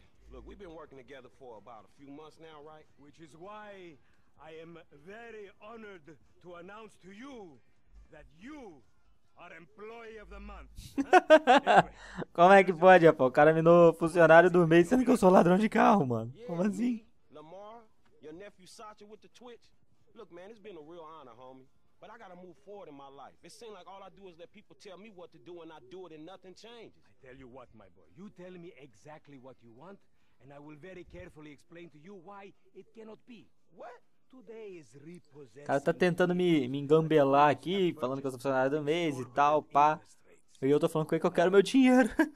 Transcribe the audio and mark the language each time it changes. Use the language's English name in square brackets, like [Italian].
[English] Look, we've been working together for about a few months now, right? Which is why I am very honored to announce to you that you are employee of the month. [Portuguese] Como é que pode, rapaz? O cara me deu funcionário do mês sendo que eu sou ladrão de carro, mano. Como assim? [English] Lamar, your nephew Sacha with the Twitch. Look, man, it's been a real honor, homie. But I gotta move forward in my life. It seems like all I do is let people tell me what to do and I do it and nothing changes. I tell you what, my boy. You tell me exactly what you want and I will very carefully explain to you why it cannot be. What? Today is repossessing. [Portuguese] O cara tá tentando me engambelar aqui, falando que eu sou funcionário do mês e tal, pá. E eu tô falando com ele que eu quero meu dinheiro.